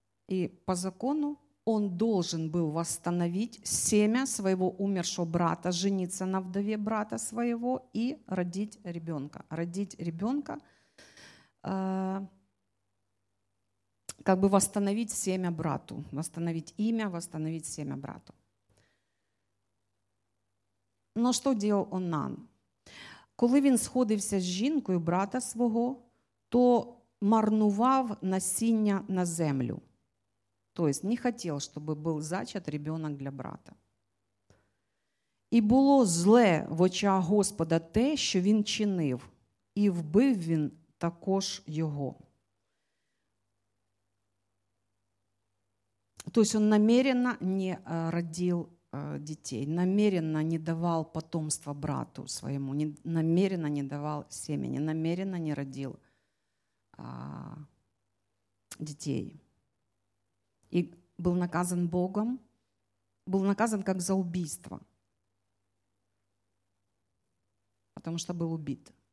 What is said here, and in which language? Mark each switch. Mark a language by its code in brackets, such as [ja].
[ru] И по закону он должен был восстановить семя своего умершего брата, жениться на вдове брата своего и родить ребенка. Родить ребенка, как бы восстановить семя брату, восстановить имя, восстановить семя брату. [uk] Но що діяв Онан? Коли він сходився з жінкою брата свого, то марнував насіння на землю. Тобто не хотів, щоб був [ru] зачат ребенок [uk] для брата. І було зле в очах Господа те, що він чинив, і вбив він також його. Тобто він [ru] намеренно не родив детей, намеренно не давал потомство брату своему, намеренно не давал семени, намеренно не родил детей. И был наказан Богом, был наказан как за убийство, потому что был убит.